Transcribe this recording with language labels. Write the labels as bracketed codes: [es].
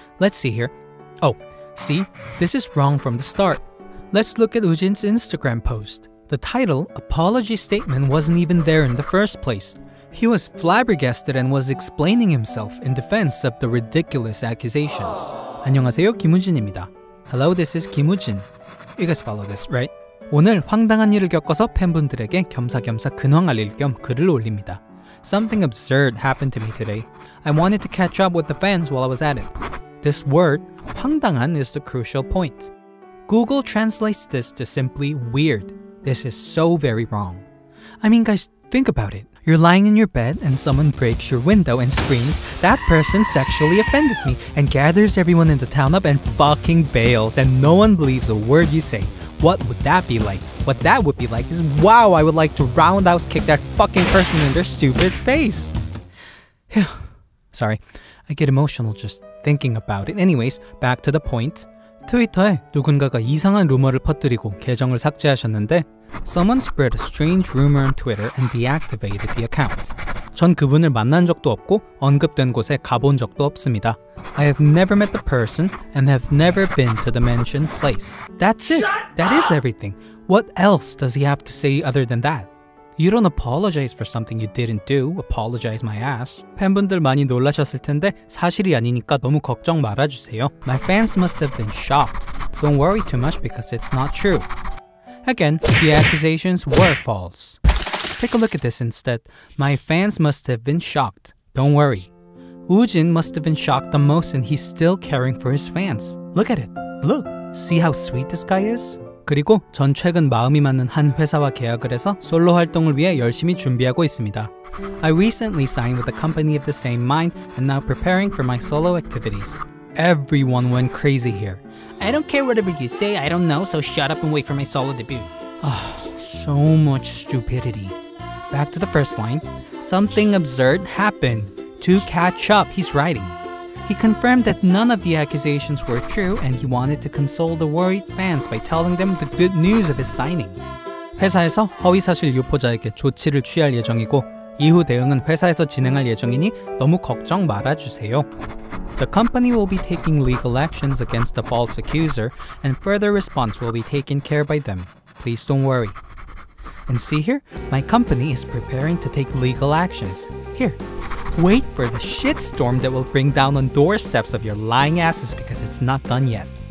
[en] Let's see here. Oh, see? This is wrong from the start. Let's look at Woojin's Instagram post. The title, Apology Statement, wasn't even there in the first place. He was flabbergasted and was explaining himself in defense of the ridiculous accusations. [ko] 안녕하세요, 김우진입니다. [en] Hello, this is 김우진. You guys follow this, right? [ko] 오늘 황당한 일을 겪어서 팬분들에게 겸사겸사 근황 알릴 겸 글을 올립니다. [en] Something absurd happened to me today. I wanted to catch up with the fans while I was at it. This word, 황당한, is the crucial point. Google translates this to simply weird. This is so very wrong. I mean, guys, think about it. You're lying in your bed and someone breaks your window and screams, that person sexually offended me, and gathers everyone in the town up and fucking bails, and no one believes a word you say. What would that be like? What that would be like is, wow, I would like to roundhouse kick that fucking person in their stupid face. Sorry, I get emotional just thinking about it. Anyways, back to the point. [ko] 트위터에 누군가가 이상한 루머를 퍼뜨리고 계정을 삭제하셨는데 [en] Someone spread a strange rumor on Twitter and deactivated the account. [ko] 전 그분을 만난 적도 없고 언급된 곳에 가본 적도 없습니다. [en] I have never met the person and have never been to the mentioned place. That's it! That is everything! What else does he have to say other than that? You don't apologize for something you didn't do. Apologize my ass. [ko] 팬분들 많이 놀라셨을 텐데 사실이 아니니까 너무 걱정 말아주세요. [en] My fans must have been shocked. Don't worry too much because it's not true. Again, the accusations were false. Take a look at this instead. My fans must have been shocked. Don't worry. Woojin must have been shocked the most and he's still caring for his fans. Look at it. Look. See how sweet this guy is? [ko] 그리고 전 최근 마음이 맞는 한 회사와 계약을 해서 솔로 활동을 위해 열심히 준비하고 있습니다. [en] I recently signed with a company of the same mind and now preparing for my solo activities. Everyone went crazy here. I don't care whatever you say, I don't know, so shut up and wait for my solo debut. Ugh, so much stupidity. Back to the first line. Something absurd happened. To catch up, he's writing. He confirmed that none of the accusations were true and he wanted to console the worried fans by telling them the good news of his signing. [ko] 회사에서 허위 사실 유포자에게 조치를 취할 예정이고 이후 대응은 회사에서 진행할 예정이니 너무 걱정 말아주세요. [en] The company will be taking legal actions against the false accuser, and further response will be taken care by them. Please don't worry. And see here, my company is preparing to take legal actions. Here, wait for the shitstorm that will bring down on doorsteps of your lying asses because it's not done yet.